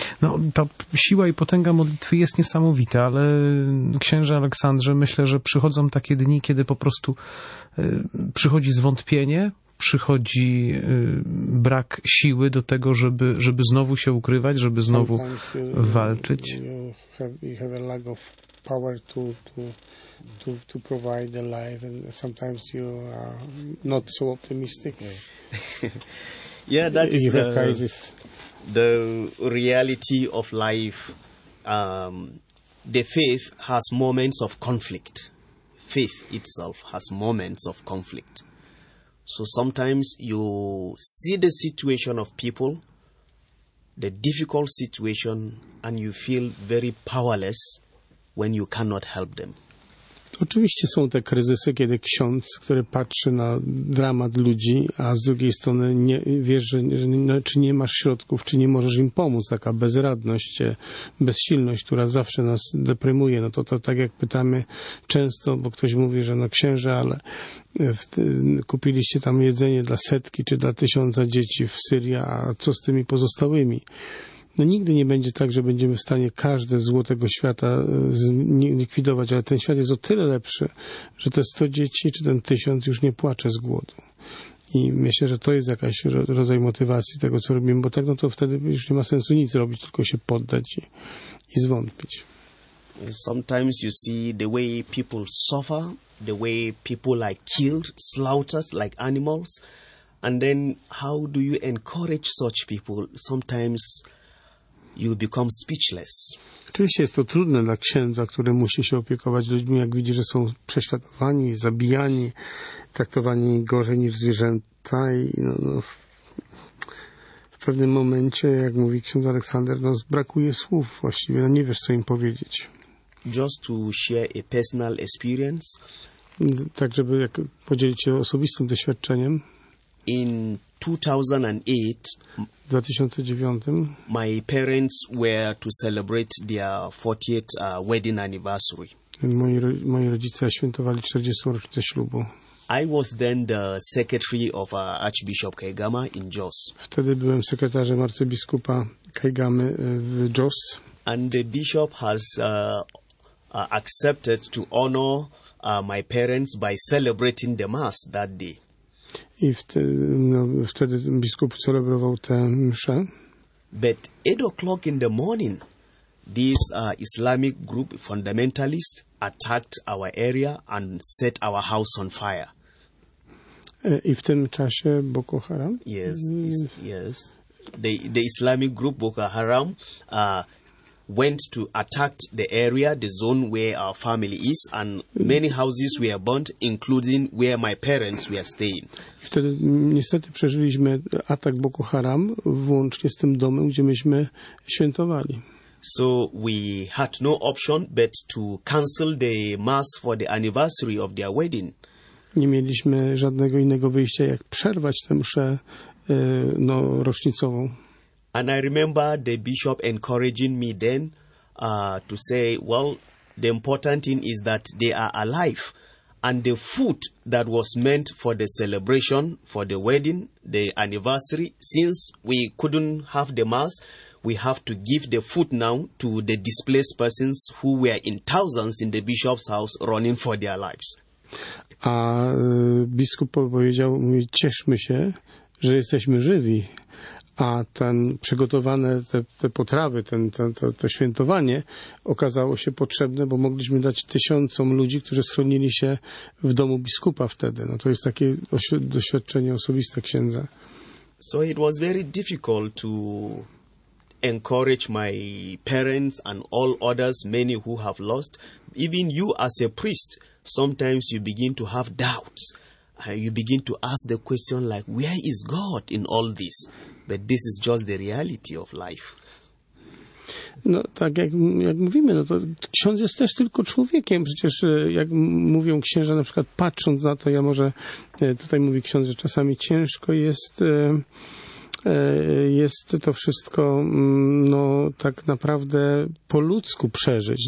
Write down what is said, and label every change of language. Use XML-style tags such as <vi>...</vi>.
<pl>No, ta siła i potęga modlitwy jest niesamowita, ale księże Aleksandrze, myślę, że przychodzą takie dni, kiedy po prostu przychodzi zwątpienie, przychodzi brak siły do tego, żeby znowu się ukrywać, żeby znowu walczyć.</pl> <en>You have a lack of power to provide a life, and sometimes you are not so optimistic. Yeah, that is the reality of life. The faith has moments of conflict. Faith itself has moments of conflict. So sometimes you see the situation of people, the difficult situation, and you feel very powerless when you cannot help them.</en> <pl>Oczywiście są te kryzysy, kiedy ksiądz, który patrzy na dramat ludzi, a z drugiej strony nie wiesz, czy nie masz środków, czy nie możesz im pomóc. Taka bezradność, bezsilność, która zawsze nas deprymuje. No to tak jak pytamy często, bo ktoś mówi, że no księże, ale kupiliście tam jedzenie dla setki czy dla tysiąca dzieci w Syrii, a co z tymi pozostałymi? No nigdy nie będzie tak, że będziemy w stanie każde zło tego świata zlikwidować, ale ten świat jest o tyle lepszy, że te 100 dzieci czy ten 1000 już nie płacze z głodu. I myślę, że to jest jakaś rodzaj motywacji tego, co robimy, bo tak no to wtedy już nie ma sensu nic robić, tylko się poddać i zwątpić.</pl> <en>Sometimes you see the way people suffer, the way people are killed, slaughtered like animals, and then how do you encourage such people? Sometimes you become speechless.</en> <pl>rzeczywiście jest to trudne dla księdza, który musi się opiekować ludźmi, jak widzi, że są prześladowani, zabijani, traktowani gorzej niż zwierzęta i w pewnym momencie, jak mówi ksiądz Aleksander, brakuje słów właściwie, nie wiesz, co im powiedzieć.</pl> <en>Just to share a personal experience.</en> <pl>Tak, żeby jak podzielić się osobistym doświadczeniem.</pl> <en>In 2008, my parents were to celebrate their 40th wedding anniversary.</en> <pl>Moi rodzice świętowali 40. rocznicę ślubu.</pl> <en>I was then the secretary of Archbishop Kaigama in Jos.</en> <pl>Wtedy byłem sekretarzem arcybiskupa Kaigamy w Jos.</pl> <en>And the bishop has accepted to honor my parents by celebrating the mass that day.</en> <pl>I wtedy biskup celebrował tę mszę.</pl> <en>But 8 o'clock in the morning, this Islamic group fundamentalist attacked our area and set our house on fire.</en> <pl>I w tym czasie Boko Haram?</pl> <en>Yes. The Islamic group Boko Haram went to attack the area, the zone where our family is, and many houses were burnt, including where my parents were staying.</en> <pl>Wtedy niestety przeżyliśmy atak Boko Haram, włącznie z tym domem, gdzie myśmy świętowali.</pl> <en>So we had no option but to cancel the mass for the anniversary of their wedding.</en> <pl>Nie mieliśmy żadnego innego wyjścia, jak przerwać tę mszę rocznicową.</pl> <en>And I remember the bishop encouraging me then to say, well, the important thing is that they are alive. And the food that was meant for the celebration, for the wedding, the anniversary, since we couldn't have the mass, we have to give the food now to the displaced persons who were in thousands in the bishop's house running for their lives.</en> <pl>A biskup powiedział, mówi, cieszmy się, że jesteśmy żywi. A ten przygotowane te potrawy, to świętowanie okazało się potrzebne, bo mogliśmy dać tysiącom ludzi, którzy schronili się w domu biskupa wtedy. No to jest takie doświadczenie osobiste księdza.</pl> <en>So it was very difficult to encourage my parents and all others, many who have lost. Even you as a priest, sometimes you begin to have doubts. You begin to ask the question like, where is God in all this? But this is just the reality of life.</en> <pl>No tak jak mówimy, no to ksiądz jest też tylko człowiekiem. Przecież jak mówią księża, na przykład patrząc na to, ja może tutaj mówi ksiądz, że czasami ciężko jest to wszystko tak naprawdę po ludzku przeżyć.</pl>